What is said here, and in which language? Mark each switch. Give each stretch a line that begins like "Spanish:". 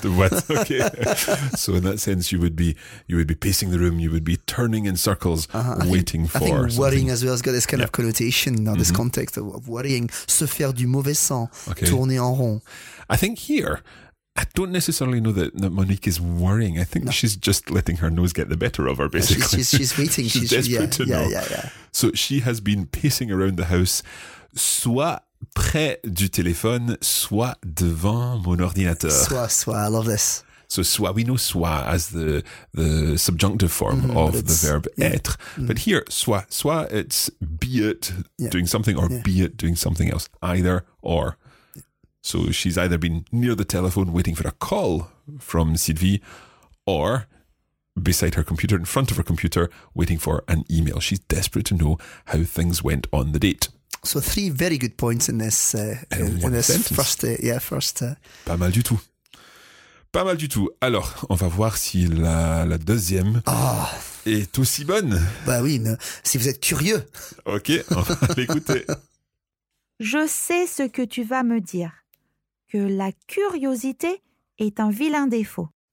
French: De boîte, ok.
English: So in that sense, you would be pacing the room, you would be turning in circles, uh-huh. I think worrying as well has got this kind of connotation in this context of worrying,
French: se faire du mauvais sang,
English: okay.
French: Tourner en rond.
English: I think here, I don't necessarily know that Monique is worrying. I think she's just letting her nose get the better of her, basically. Yeah, she's waiting. she's desperate to know. Yeah, yeah. So she has been pacing around the house,
French: soit près du téléphone, soit devant mon ordinateur.
English: Soit, I love this. So soit, we know soit as the subjunctive form of the verb être. Mm-hmm. But here, soit, it's be it doing something or be it doing something else, either or. So she's either been near the telephone waiting for a call from Sylvie or beside her computer, in front of her computer, waiting for an email. She's desperate to know how things went on the date. So three very good points in this first date. Yeah, first.
French: Pas mal du tout. Pas mal du tout. Alors, on va voir si la deuxième est aussi bonne. Bah oui, mais si vous êtes curieux. Ok, on va l'écouter. Je sais ce que tu vas me dire. Que la curiosité est un vilain défaut.